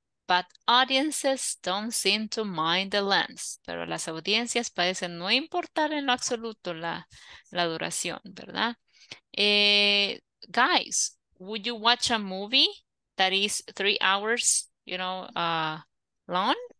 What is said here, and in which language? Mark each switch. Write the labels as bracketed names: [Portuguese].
[English] But audiences don't seem to mind the length. [Spanish] Pero las audiencias parecen no importar en lo absoluto la duración, ¿verdad? [English] Guys, would you watch a movie that is 3 hours, you know, long?